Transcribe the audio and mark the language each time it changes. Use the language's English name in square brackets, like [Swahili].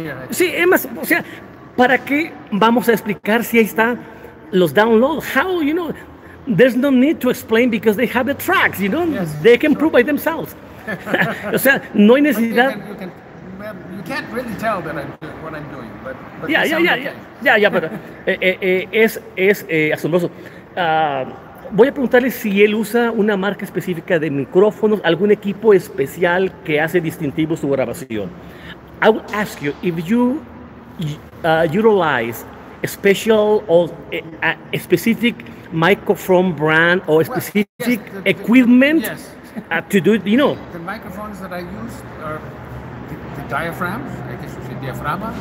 [Spanish] Sí, además, o sea, ¿para qué vamos a explicar si ahí están los downloads? [English] How, you know, there's no need to explain because they have the tracks, you know? Yes, they can prove by themselves. [Spanish] O sea, no hay necesidad. [English] You can you can't really tell that I'm doing what I'm doing, but [Spanish] yeah, pero es asombroso. Voy a preguntarle si él usa una marca específica de micrófonos, algún equipo especial que hace distintivo su grabación. [English] I will ask you if you utilize special or a specific microphone brand or a specific equipment to do it, you know. The microphones that I use are the diaphragms, I guess you should diaphragm.